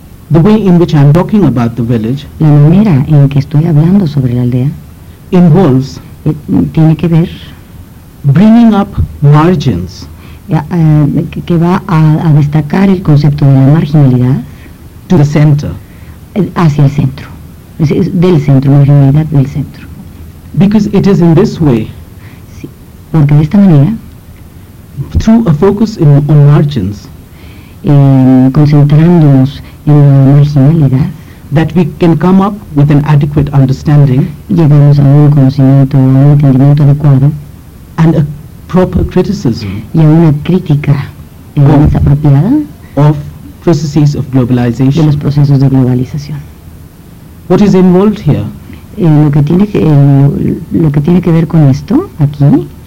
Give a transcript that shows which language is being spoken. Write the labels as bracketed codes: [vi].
[en] the way in which I'm talking about the village, [es] la manera en que estoy hablando sobre la aldea, [en] involves, [es] tiene que ver, [en] bringing up margins, [es] que va a destacar el concepto de la marginalidad, [en] to the center, [es] hacia el centro, del centro, marginalidad del centro. [en] Because it is in this way, [es] sí, porque de esta manera, [en] through a focus in, on margins, [es] concentrándonos en la marginalidad, [en] that we can come up with an adequate understanding, [es] llegamos a un conocimiento, a un entendimiento adecuado, [en] and a proper criticism, [es] y a una crítica más apropiada, [en] of processes of globalization, [es] de los procesos de globalización. [en] What is involved here? [es] Lo que tiene que ver con esto aquí